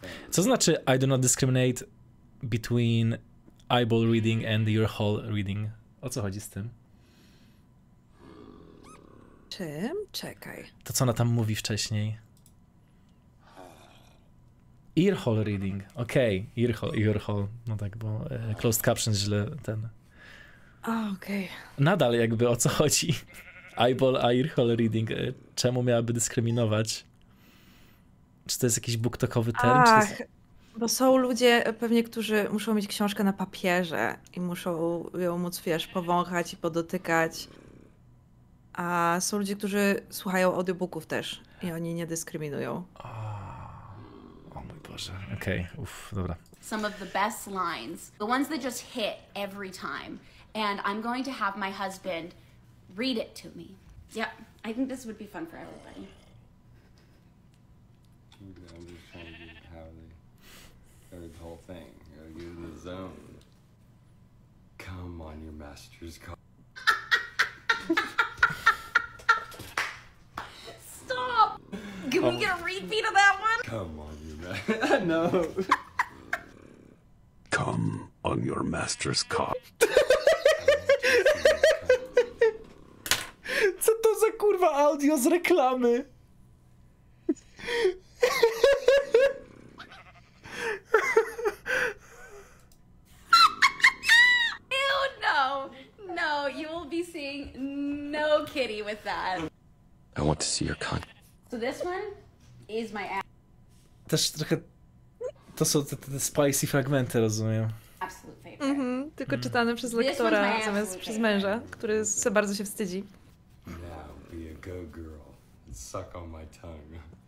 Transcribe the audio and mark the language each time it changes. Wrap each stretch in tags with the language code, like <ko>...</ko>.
<pl>Co znaczy</pl> <en>I do not discriminate between eyeball reading and ear hole reading?</en> <pl>O co chodzi z tym? Czym? Czekaj. To co ona tam mówi wcześniej? Earhole reading, okej, okay. Earhole, no tak, bo closed caption źle ten. A, okej. Okay. Nadal jakby o co chodzi? Eyeball, earhole reading, czemu miałaby dyskryminować? Czy to jest jakiś booktokowy term? Ach, czy to jest... bo są ludzie pewnie, którzy muszą mieć książkę na papierze i muszą ją móc, wiesz, powąchać i podotykać. A są ludzie, którzy słuchają audiobooków też i oni nie dyskryminują. Okay. Uff, dobra.</pl> <en>Some of the best lines, the ones that just hit every time, and I'm going to have my husband read it to me. Yeah, I think this would be fun for everybody. I'm just trying to have the whole thing. You know, get in the zone. Come on, your master's call. Stop! Can we get a repeat of that one? Come on. No. Come on your master's cock.</en> <pl>Co to za kurwa audio z reklamy?</pl> <en>Ew, no. No, you will be seeing no kitty with that. I want to see your cunt. So this one is my ass.</en> <pl>Też trochę to są te spicy fragmenty, rozumiem. Tylko czytane przez lektora, zamiast przez męża, który se bardzo się wstydzi.</pl> <en>Now be a good girl and suck on my tongue.</en>